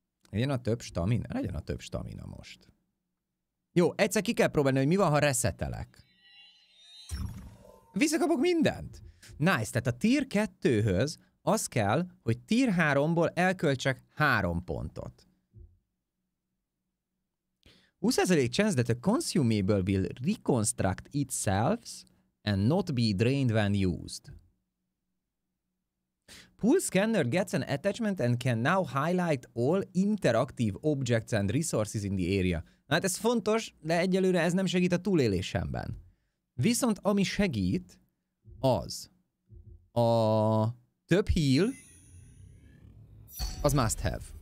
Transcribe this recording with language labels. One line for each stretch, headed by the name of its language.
Hungarian: Legyen a több stamina most. Jó, egyszer ki kell próbálni, hogy mi van, ha reszetelek. Visszakapok mindent. Nice, tehát a tier 2-höz az kell, hogy tier 3-ból elköltsek 3 pontot.
English: 20% chance that a consumable will reconstruct itself and not be drained when used. Pulse scanner gets an attachment and can now highlight all interactive objects and resources in the area.
Hungarian: Hát ez fontos, de egyelőre ez nem segít a túlélésemben. Viszont ami segít, az a több heal, az must have.